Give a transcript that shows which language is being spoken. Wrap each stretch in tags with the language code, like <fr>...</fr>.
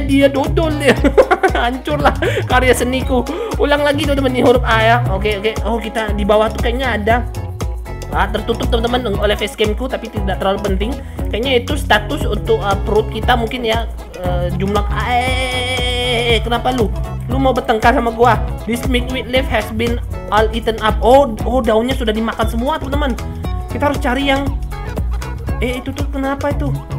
<id>Dia dodol ya. Hancurlah karya seniku. Ulang lagi teman-teman, ini huruf A ya. Oke. Kita di bawah tuh kayaknya ada tertutup teman-teman oleh facecamku, tapi tidak terlalu penting. Kayaknya itu status untuk perut kita mungkin ya. Jumlah A. Kenapa lu mau bertengkar sama gua?</id> <en>This midweek leaf has been all eaten up.</en> <id>Daunnya sudah dimakan semua teman-teman. Kita harus cari yang itu tuh, kenapa itu?</id>